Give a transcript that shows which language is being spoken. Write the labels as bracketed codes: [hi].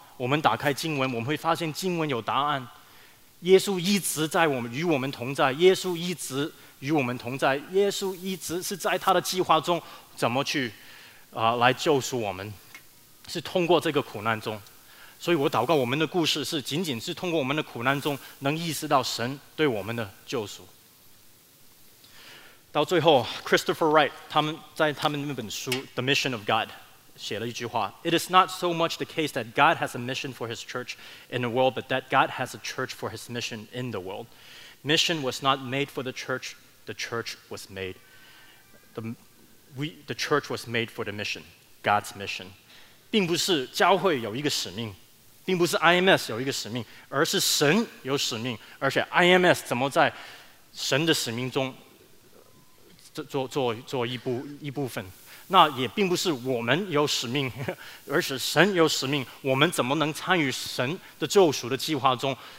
[zh] 我们打开经文，我们会发现经文有答案。耶稣一直在我们与我们同在，耶稣一直与我们同在，耶稣一直是在他的计划中，怎么去来救赎我们，是通过这个苦难中。所以我祷告我们的故事是仅仅是通过我们的苦难中能意识到神对我们的救赎。到最后 Christopher Wright 他们在他们那本书 The Mission of God 写了一句话， [en] It is not so much the case that God has a mission for his church in the world, but that God has a church for his mission in the world. Mission was not made for the church was made. The church was made for the mission, God's mission. [zh] 并不是教会有一个使命，并不是 IMS 有一个使命，而是神有使命，而且 IMS 怎么在神的使命中做一部分，那也并不是我们有使命，而是神有使命，我们怎么能参与神的救赎的计划中，